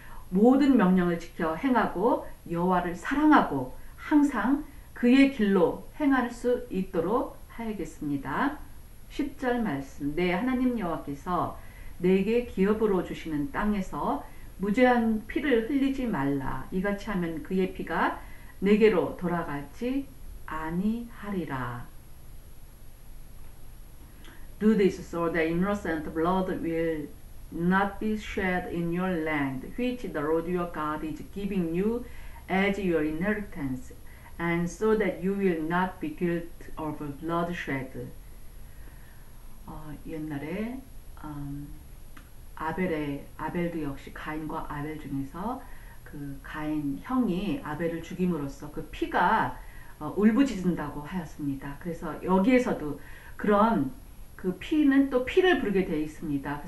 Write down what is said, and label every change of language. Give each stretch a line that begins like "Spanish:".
Korean: 모든 명령을 지켜 행하고 여호와를 사랑하고 항상 그의 길로 행할 수 있도록 하겠습니다. 10절 말씀. 네, 하나님 여호와께서 내게 기업으로 주시는 땅에서 무죄한 피를 흘리지 말라. 이같이 하면 그의 피가 내게로 돌아가지 아니하리라.
English: Do this so that innocent blood will not be shed in your land, which the Lord your God is giving you as your inheritance, and so that you will not be guilty of bloodshed.
Korean: 옛날에 아벨도 역시 가인과 아벨 중에서 그 가인 형이 아벨을 죽임으로써 그 피가 울부짖는다고 하였습니다. 그래서 여기에서도 그런 그 피는 또 피를 부르게 되어 있습니다.